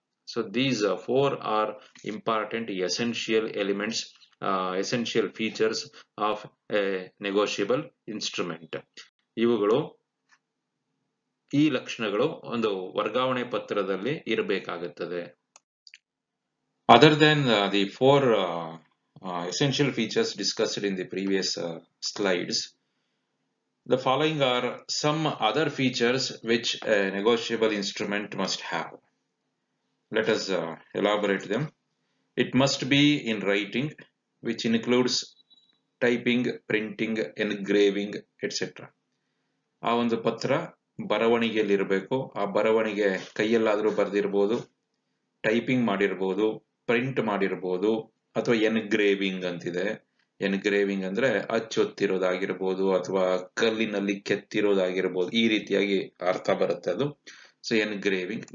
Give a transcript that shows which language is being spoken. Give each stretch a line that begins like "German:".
English: So these four are important essential elements, essential features of a negotiable instrument.
Kannada: ಇವುಗಳು ಈ ಲಕ್ಷಣಗಳು ಒಂದು ವರ್ಗಾವಣೆ ಪತ್ರದಲ್ಲಿ ಇರಬೇಕಾಗುತ್ತದೆ.
English: Other then the four essential features discussed in the previous slides. The following are some other features which a negotiable instrument must have. Let us elaborate them. It must be in writing, which includes typing, printing, engraving, etc.
Kannada: ಆ ಒಂದು ಪತ್ರ ಬರವಣಿಗೆಯಲ್ಲಿ ಇರಬೇಕು. ಆ ಬರವಣಿಗೆ ಕೈಯಲ್ಲಾದರೂ ಬರೆದಿರ್ಬೋದು, typing ಮಾಡಿರ್ಬೋದು, print ಮಾಡಿರ್ಬೋದು, ಅಥವಾ ಎನ್ಗ್ರೇವಿಂಗ್ ಅಂತಿದೆ. ಎನ್ಗ್ರೇವಿಂಗ್ ಅಂದ್ರೆ ಅಚ್ಚೊತ್ತಿರೋದಾಗಿರ್ಬೋದು ಅಥವಾ ಕಲ್ಲಿನಲ್ಲಿ ಕೆತ್ತಿರೋದಾಗಿರ್ಬೋದು, ಈ ರೀತಿಯಾಗಿ ಅರ್ಥ ಬರುತ್ತೆ ಅದು. So engraving.